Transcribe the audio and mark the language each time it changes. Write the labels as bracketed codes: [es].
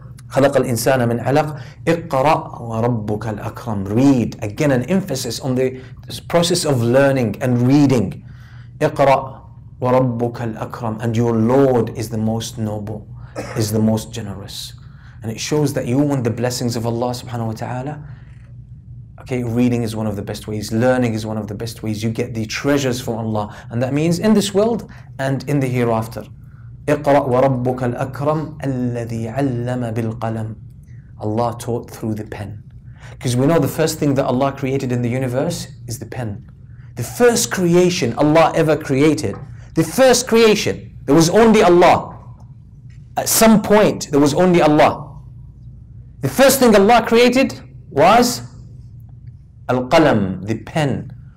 [ar] خلق الإنسان من علق اقرأ وربك الأكرم. [en] Read. Again, an emphasis on the process of learning and reading. [ar] اقرأ وربك الأكرم. [en] And your Lord is the most noble, is the most generous. And it shows that you want the blessings of Allah subhanahu wa ta'ala. Okay, reading is one of the best ways. Learning is one of the best ways. You get the treasures from Allah. And that means in this world and in the hereafter. [ar] اقرأ وربك الأكرم الذي علم بالقلم. [en] Allah taught through the pen. Because we know the first thing that Allah created in the universe is the pen. The first creation Allah ever created. The first creation. There was only Allah. At some point, there was only Allah. The first thing Allah created was القلم, the pen.